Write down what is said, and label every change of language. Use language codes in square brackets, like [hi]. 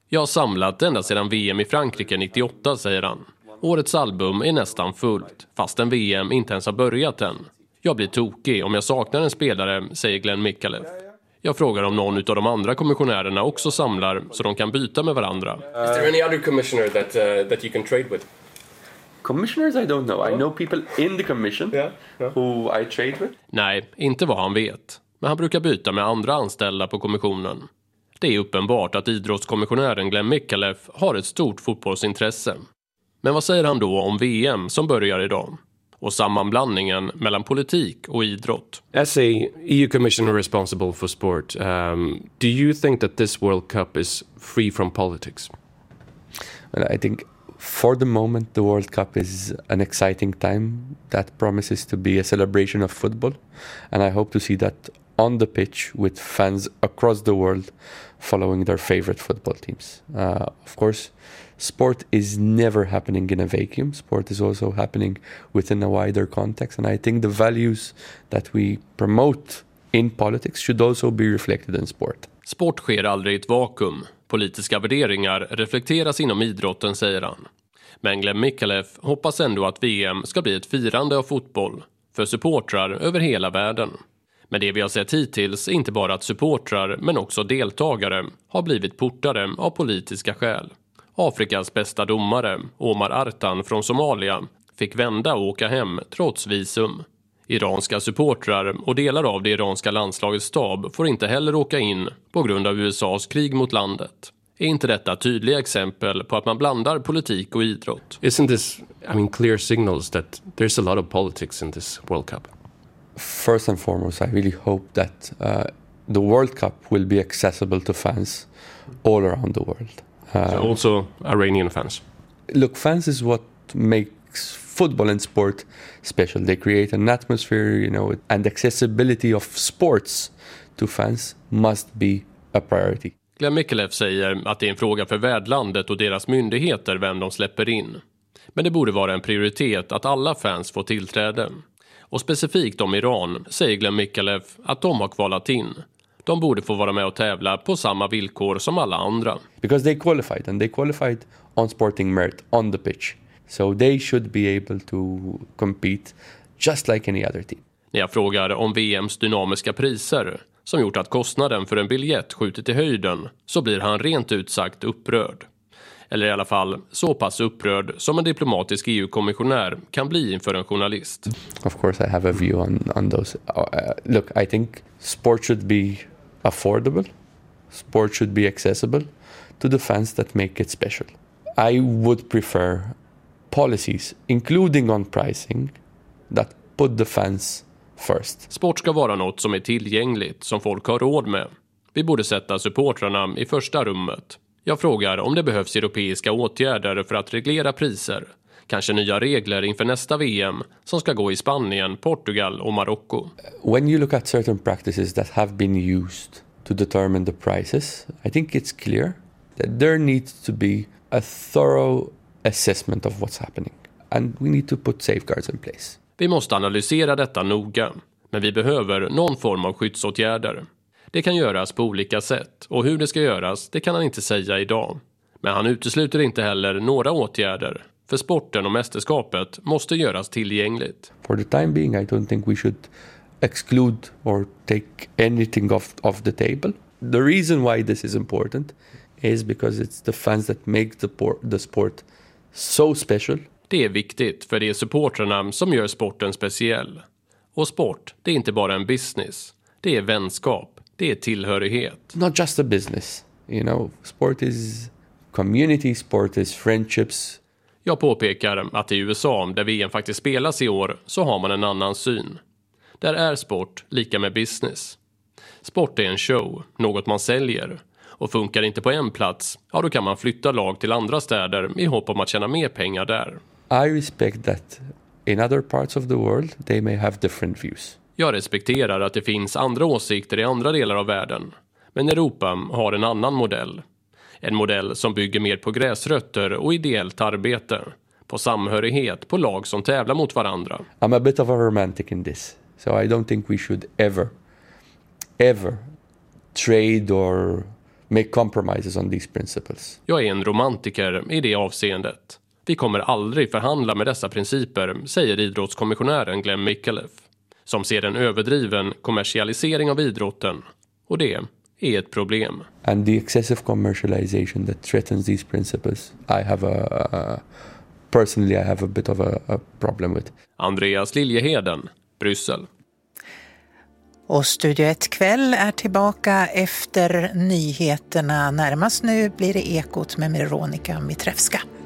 [sv] Jag har samlat ända sedan VM i Frankrike 98, säger han. Årets album är nästan fullt, fastän VM inte ens har börjat än. Jag blir tokig om jag saknar en spelare, säger Glenn Mikalev. Jag frågar om någon av de andra kommissionärerna också samlar så de kan byta med varandra. [en] Is there any other commissioner that that you can trade with? Commissioners, I don't know. I know people in the commission who I trade with. [sv] Nej, inte vad han vet. Men han brukar byta med andra anställda på kommissionen. Det är uppenbart att idrottskommissionären Glenn Mikalev har ett stort fotbollsintresse. Men vad säger han då om VM som börjar idag? Och sammanblandningen mellan politik och idrott. [en] As a EU commissioner responsible for sport, do you think that this World Cup is free from politics? Well, I think for the moment the World Cup is an exciting time that promises to be a celebration of football, and I hope to see that on the pitch with fans across the world following their favorite football teams. Of course, sport is never happening in a vacuum. Sport is also happening within a wider context, and I think the values that we promote in politics should also be reflected in sport. [sv] Sport sker aldrig i ett vakuum. Politiska värderingar reflekteras inom idrotten, säger han. Men Glenn Mikalev hoppas ändå att VM ska bli ett firande av fotboll för supportrar över hela världen. Men det vi har sett hittills är inte bara att supportrar, men också deltagare, har blivit portade av politiska skäl. Afrikas bästa domare, Omar Artan från Somalia, fick vända och åka hem trots visum. Iranska supportrar och delar av det iranska landslagets stab får inte heller åka in på grund av USAs krig mot landet. Är inte detta tydliga exempel på att man blandar politik och idrott? [en] Isn't this, I mean, clear signals that there's a lot of politics in this World Cup? First and foremost, I really hope that the World Cup will be accessible to fans all around the world. So also Iranian fans. Look, fans is what makes football and sport special. They create an atmosphere, you know, and accessibility of sports to fans must be a priority. [sv] Glenn Mikalev säger att det är en fråga för värdlandet och deras myndigheter vem de släpper in. Men det borde vara en prioritet att alla fans får tillträde. Och specifikt om Iran säger Glenn Mikalev att de har kvalat in. De borde få vara med och tävla på samma villkor som alla andra. [en] Because they qualified, and they qualified on sporting merit on the pitch. So they should be able to compete just like any other team. [sv] När jag frågar om VMs dynamiska priser som gjort att kostnaden för en biljett skjutit i höjden, så blir han rent ut sagt upprörd. Eller i alla fall så pass upprörd som en diplomatisk EU-kommissionär kan bli inför en journalist. [en] Of course I have a view on those. Look, I think sport should be affordable. Sport should be accessible to the fans that make it special. I would prefer policies, including on pricing, that put the fans first. [sv] Sport ska vara något som är tillgängligt, som folk har råd med. Vi borde sätta supportrarna i första rummet. Jag frågar om det behövs europeiska åtgärder för att reglera priser. Kanske nya regler inför nästa VM som ska gå i Spanien, Portugal och Marocko. [en] When you look at certain practices that have been used to determine the prices, I think it's clear that there needs to be a thorough assessment of what's happening. And we need to put safeguards in place. [sv] Vi måste analysera detta noga, men vi behöver någon form av skyddsåtgärder. Det kan göras på olika sätt, och hur det ska göras, det kan han inte säga idag. Men han utesluter inte heller några åtgärder, för sporten och mästerskapet måste göras tillgängligt. [en] For the time being, I don't think we should exclude or take anything off the table. The reason why this is important is because it's the fans that make the sport so special. [sv] Det är viktigt, för det är supportrarna som gör sporten speciell. Och sport, det är inte bara en business. Det är vänskap, det är tillhörighet. [en] Not just a business, you know. Sport is community, sport is friendships. [sv] Jag påpekar att i USA, där VM faktiskt spelas i år, så har man en annan syn. Där är sport lika med business. Sport är en show, något man säljer. Och funkar inte på en plats, ja, då kan man flytta lag till andra städer i hopp om att tjäna mer pengar där. [en] I respect that in other parts of the world they may have different views. [sv] Jag respekterar att det finns andra åsikter i andra delar av världen. Men Europa har en annan modell. En modell som bygger mer på gräsrötter och ideellt arbete. På samhörighet, på lag som tävlar mot varandra. [en] I'm a bit of a romantic in this. So I don't think we should ever trade or make compromises on these principles. [sv] Jag är en romantiker i det avseendet. Vi kommer aldrig förhandla med dessa principer, säger idrottskommissionären Glenn Mikalev, som ser en överdriven kommersialisering av idrotten. Och det är ett problem. [en] And the excessive commercialization that threatens these principles, I have a bit of a problem with. [sv] Andreas Liljeheden, Bryssel. Och Studio 1 kväll är tillbaka efter nyheterna. Närmast nu blir det Ekot med Veronica Mitrevska.